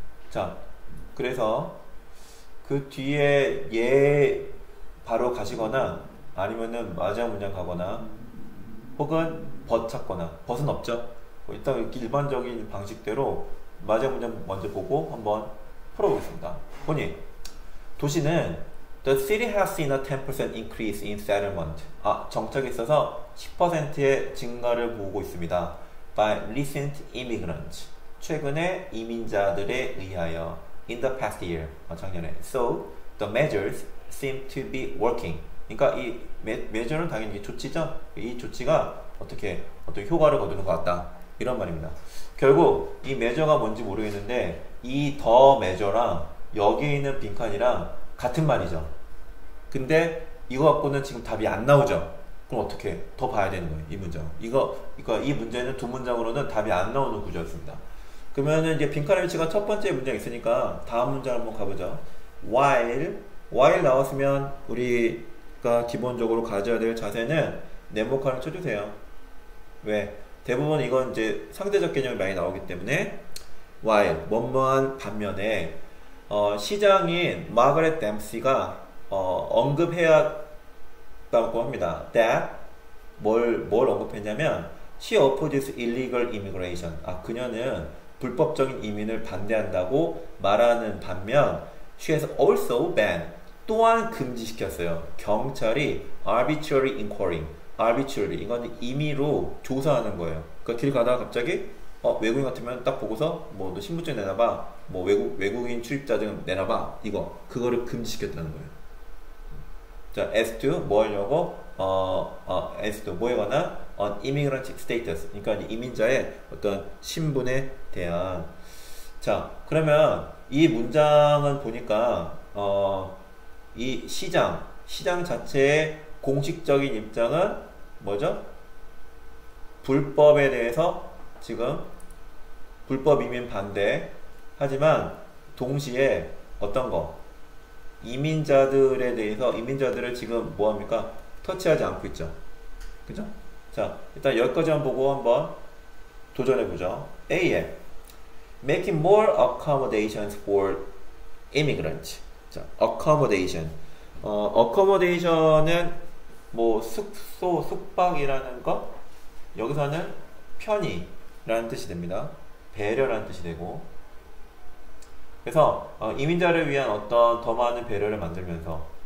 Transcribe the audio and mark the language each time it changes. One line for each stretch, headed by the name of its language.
Korean: 자, 그래서 그 뒤에 예 바로 가시거나 아니면은 마지막 문장 가거나 혹은 벗 찾거나, 벗은 없죠. 일단 일반적인 방식대로 마지막 문장 먼저 보고 한번 풀어보겠습니다. 본인 도시는
English: The city has seen a 10% increase in settlement.
Korean: 아, 정착에 있어서 10%의 증가를 보고 있습니다.
English: By recent immigrants.
Korean: 최근에 이민자들에 의하여.
English: In the past year.
Korean: 아, 작년에.
English: So, the measures seem to be working.
Korean: 그러니까 이 measure는 당연히 조치죠? 이 조치가 어떤 효과를 거두는 것 같다. 이런 말입니다. 결국, 이 measure가 뭔지 모르겠는데, 이 the measure랑 여기 있는 빈칸이랑 같은 말이죠. 근데 이거 갖고는 지금 답이 안 나오죠. 그럼 어떻게 더 봐야 되는 거예요, 이 문장. 이 문제는 두 문장으로는 답이 안 나오는 구조였습니다. 그러면은 이제 빈칸의 위치가 첫 번째 문장이 있으니까 다음 문장 한번 가보죠. While 나왔으면 우리가 기본적으로 가져야 될 자세는 네모칸을 쳐주세요. 왜? 대부분 이건 이제 상대적 개념이 많이 나오기 때문에 while, 뭐뭐한 반면에 시장인 마그렛 댐시가 언급했다고 합니다.
English: That
Korean: 뭘 언급했냐면
English: She opposes illegal immigration.
Korean: 아, 그녀는 불법적인 이민을 반대한다고 말하는 반면
English: She has also banned
Korean: 또한 금지시켰어요.
English: 경찰이 arbitrary inquiring.
Korean: Arbitrary 이건 임의로 조사하는 거예요. 그러니까 길 가다가 갑자기 외국인 같으면 딱 보고서 뭐 너 신분증 내놔봐, 뭐 외국인 출입자증 내놔봐, 그거를 금지시켰다는 거예요. 자, as to 뭐 하려고 as to 뭐에 관한
English: an immigrant status,
Korean: 그러니까 이민자의 어떤 신분에 대한. 자, 그러면 이 문장은 보니까 이 시장 자체의 공식적인 입장은 뭐죠? 불법에 대해서 지금 불법 이민 반대. 하지만 동시에 어떤 거? 이민자들에 대해서 이민자들을 지금 뭐합니까? 터치하지 않고 있죠. 그죠? 자, 일단 여기까지만 보고 한번 도전해보죠.
English: A에 Making more accommodations for immigrants.
Korean: 자, accommodation. accommodation은 뭐 숙소, 숙박이라는 거? 여기서는 편의 라는 뜻이 됩니다. 배려라는 뜻이 되고. 그래서 이민자를 위한 어떤 더 많은 배려를 만들면서.